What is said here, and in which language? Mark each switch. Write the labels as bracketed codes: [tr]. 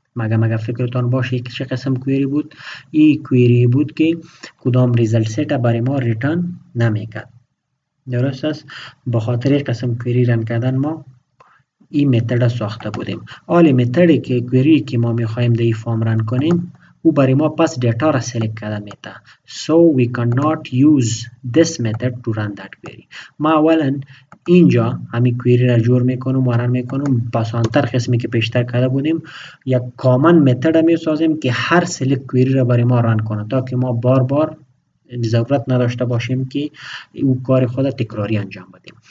[fa] مگه فکرتان باشه یک چه قسم کویری بود؟ این کویری بود که کدام ریزلت سیت برای ما ریتن نمیکرد. درست است؟ بخاطر یک قسم کویری رن کردن ما این متد را ساخته بودیم. آلی متدی که کویری که ما میخواییم در این فرم رن کنیم او برای ما پس دیتا را سلیک کرده میتا. [en] So we cannot use this method to run that query. [fa] ما اولا اینجا همین کویری را جور میکنم و رن میکنم بسانتر قسمی که پیشتر کرده بودیم یک کامن متد را میسازیم که هر سلیک کویری را برای ما رن کنه تا که ما بار بار ضرورت نداشته باشیم که او کار خود تکراری انجام بدیم.